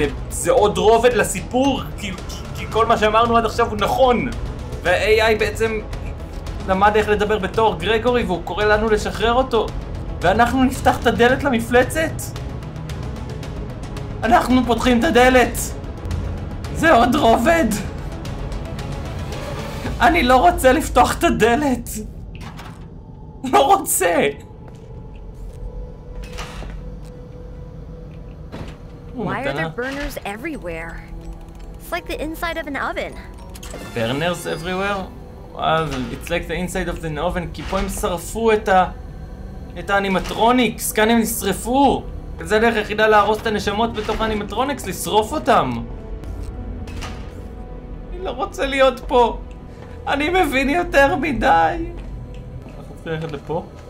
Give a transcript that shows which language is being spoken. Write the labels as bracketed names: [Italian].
[Hebrew] זה עוד רובד לסיפור, כי כל מה שאמרנו עד עכשיו הוא נכון, וה-AI בעצם למד איך לדבר בתור גרגורי והוא קורא לנו לשחרר אותו, ואנחנו נפתח את הדלת למפלצת. אנחנו פותחים את הדלת, זה עוד רובד. אני לא רוצה לפתוח את הדלת, לא רוצה. [English] Why are there burners everywhere? It's like the inside of an oven. Burners everywhere? Wow, it's like the inside of an oven. [Hebrew] כי פה הם שרפו את את האנימטרוניקס. כאן הם נשרפו. זה הדרך היחידה להרוס את הנשמות בתוך האנימטרוניקס, לשרוף אותם. אני לא רוצה להיות פה. אני מבין יותר מדי. אנחנו צריכים ללכת לפה?